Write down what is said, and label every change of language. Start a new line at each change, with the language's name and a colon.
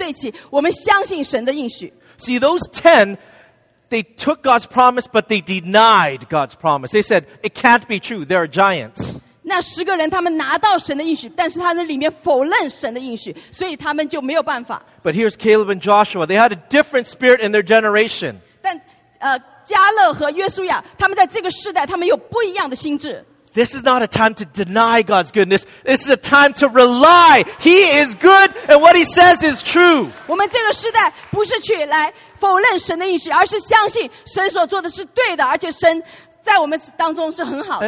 Chinese: 我就说我们虽然我们是渺小的，但是我们要跟神对齐，我们相信神的应许。
English: See, those 10... They took God's promise, but they denied God's promise. They said, it can't be true. There are giants.
Chinese: 那十个人他们拿到神的应许，但是他们里面否认神的应许，所以他们就没有办法。
English: But here's Caleb and Joshua. They had a different spirit in their generation.
Chinese: 但加勒和约书亚，他们在这个世代，他们有不一样的心智。
English: This is not a time to deny God's goodness. This is a time to rely. He is good, and what He says is true.
Chinese: 我们这个世代不是去来 否认神的应许，而是相信神所做的是对的，而且神在我们当中是很好的。